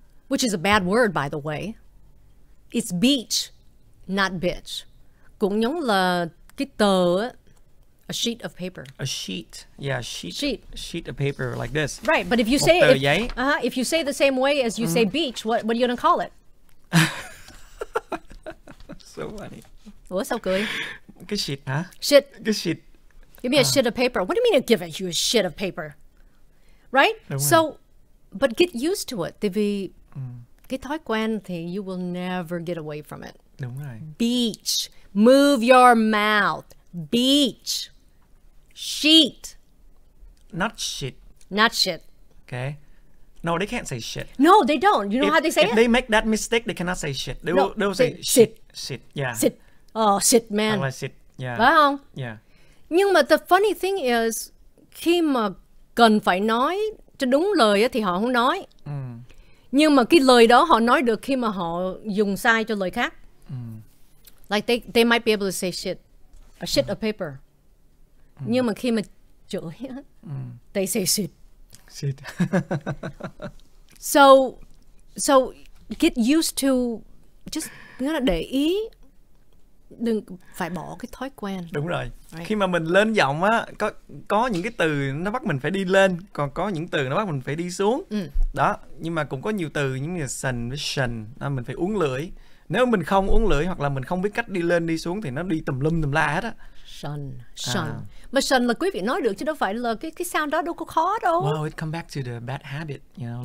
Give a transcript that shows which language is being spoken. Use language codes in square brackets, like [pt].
[en] Which is a bad word by the way. It's beach, not bitch. [vi] Cũng giống là cái tờ [en] a sheet of paper. A sheet. Yeah, sheet. Sheet of paper like this. Right, but if you say if you say the same way as you say beach, what are you going to call it? So funny. [vi] Ủa sao cười? Cái shit hả? [en] Shit. [vi] Cái shit. [en] Give me a shit of paper. What do you mean to give you a shit of paper? Right? [vi] Đúng [en] so, rồi. But get used to it. [vi] Tại vì cái thói quen thì [en] you will never get away from it. [vi] Đúng rồi. [en] Beach. Move your mouth. Beach. Sheet. Not shit. Okay. No, they can't say shit. No, they don't. You know if, how they say if it? If they make that mistake, they cannot say shit. They, no, will, they will say shit. Yeah. Shit. Oh, shit, man. [vi] Hoặc là shit. Yeah. Phải không? [en] Yeah. [vi] Nhưng mà [en] the funny thing is, [vi] khi mà cần phải nói cho đúng lời thì họ không nói. Nhưng mà cái lời đó họ nói được khi mà họ dùng sai cho lời khác. [en] Like they might be able to say shit. A shit of paper. [vi] Nhưng mà khi mà chửi, [en] they say shit. Shit. So get used to just, you know, [vi] để ý. Đừng phải bỏ cái thói quen. Đúng rồi. [en] Right. [vi] Khi mà mình lên giọng á, có những cái từ nó bắt mình phải đi lên, còn có những từ nó bắt mình phải đi xuống. Đó, nhưng mà cũng có nhiều từ như là sần với sần, mình phải uống lưỡi. Nếu mình không uống lưỡi hoặc là mình không biết cách đi lên đi xuống thì nó đi tùm lum tùm la hết á. Sần. Mà sần là quý vị nói được chứ đâu phải là cái sound đó đâu có khó đâu. [en] Well, it come back to the bad habit, you know.